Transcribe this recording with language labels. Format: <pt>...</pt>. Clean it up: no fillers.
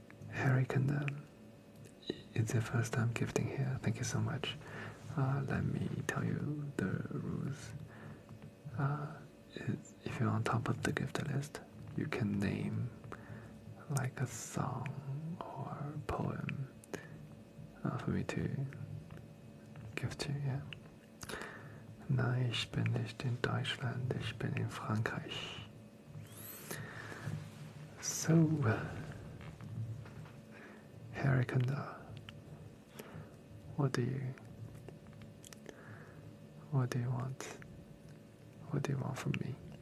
<en>Harry Kendall, it's your first time gifting here. Thank you so much. Let me tell you the rules. If you're on top of the gift list, you can name like a song or poem. For me to give to, yeah.</en> <de>Nein, ich bin nicht in Deutschland, ich bin in Frankreich.</de> <en>So, Harry Kunda, what do you want from me?</en>